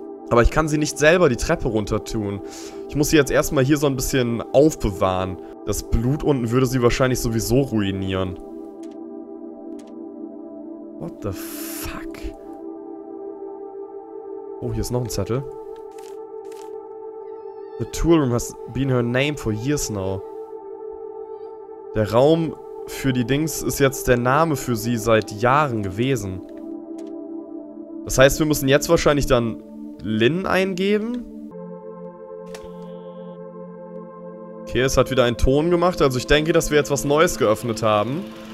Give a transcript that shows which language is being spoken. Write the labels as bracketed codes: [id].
[de] Aber ich kann sie nicht selber die Treppe runter tun. Ich muss sie jetzt erstmal hier so ein bisschen aufbewahren. Das Blut unten würde sie wahrscheinlich sowieso ruinieren. [en] What the fuck? [de] Oh, hier ist noch ein Zettel. [en] The tool room has been her name for years now. [de] Der Raum für die Dings ist jetzt der Name für sie seit Jahren gewesen. Das heißt, wir müssen jetzt wahrscheinlich dann Lynn eingeben. Okay, es hat wieder einen Ton gemacht. Also ich denke, dass wir jetzt was Neues geöffnet haben.